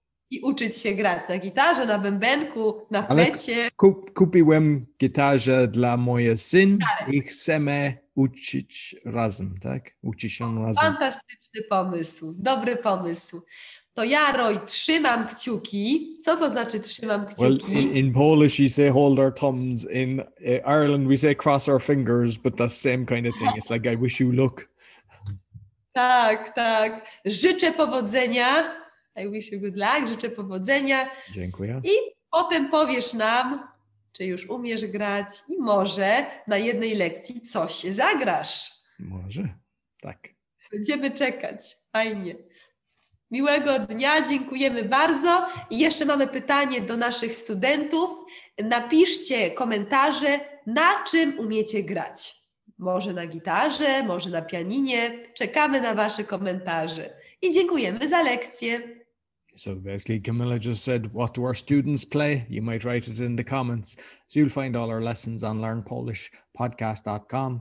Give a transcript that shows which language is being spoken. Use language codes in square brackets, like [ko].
[pl] I uczyć się grać na gitarze, na bębenku, na flecie. Kupiłem gitarze dla mojej syn i chcemy uczyć razem, tak? Uczyć się razem. Fantastyczny pomysł, dobry pomysł. To ja, Roy, trzymam kciuki. Co to znaczy trzymam kciuki? [en] Well, in Polish you say hold our thumbs. In Ireland we say cross our fingers, but that's the same kind of thing. It's like I wish you luck. [pl] Tak, tak. Życzę powodzenia. [en] I wish you good luck. [pl] Życzę powodzenia. Dziękuję. I potem powiesz nam, czy już umiesz grać i może na jednej lekcji coś zagrasz. Może, tak. Będziemy czekać. Fajnie. Miłego dnia, dziękujemy bardzo. I jeszcze mamy pytanie do naszych studentów. Napiszcie komentarze, na czym umiecie grać. Może na gitarze, może na pianinie. Czekamy na wasze komentarze. I dziękujemy za lekcję. [en] So basically Camilla just said, what do our students play? You might write it in the comments. So you'll find all our lessons on learnpolishpodcast.com.